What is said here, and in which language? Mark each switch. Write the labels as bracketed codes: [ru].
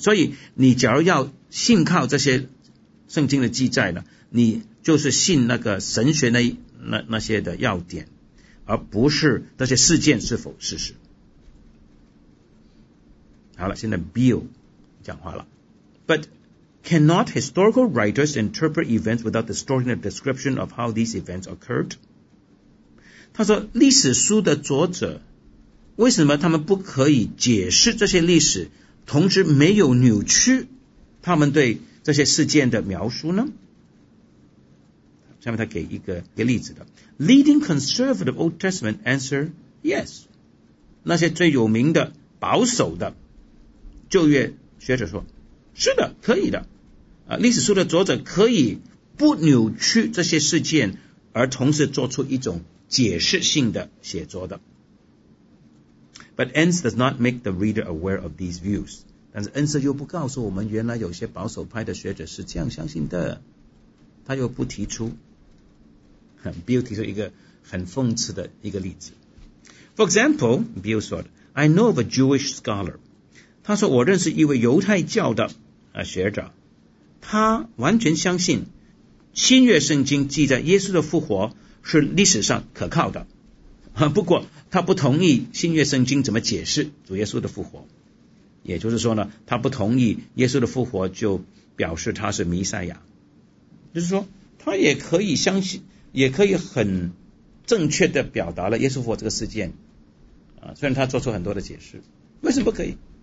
[zh] 所以你假如要信靠这些圣经的记载呢，你就是信那个神学 那些的要点，而不是那些事件是否事实。好了，现在 Bill 讲话了。 [en] But cannot historical writers interpret events without distorting the description of how these events occurred? [zh] 他说历史书的作者为什么他们不可以解释这些历史，同时没有扭曲他们对这些事件的描述呢？下面他给一个例子的。 [en] Leading conservative Old Testament answer, yes. [zh] 那些最有名的保守的旧约学者说，是的，可以的。历史书的作者可以不扭曲这些事件，而同时做出一种解释性的写作的。 [en] But Ence does not make the reader aware of these views. [zh] 但是 Ence 又不告诉我们原来有些保守派的学者是这样相信的，他又不提出。 Bill 提出一个很讽刺的一个例子。 [en] For example, Bill said, I know of a Jewish scholar. [zh] 他说我认识一位犹太教的学者，他完全相信新约圣经记载耶稣的复活是历史上可靠的。不过他不同意新约圣经怎么解释主耶稣的复活，也就是说呢，他不同意耶稣的复活就表示他是弥赛亚，就是说他也可以相信，也可以很正确的表达了耶稣复活这个事件虽然他做出很多的解释，为什么不可以？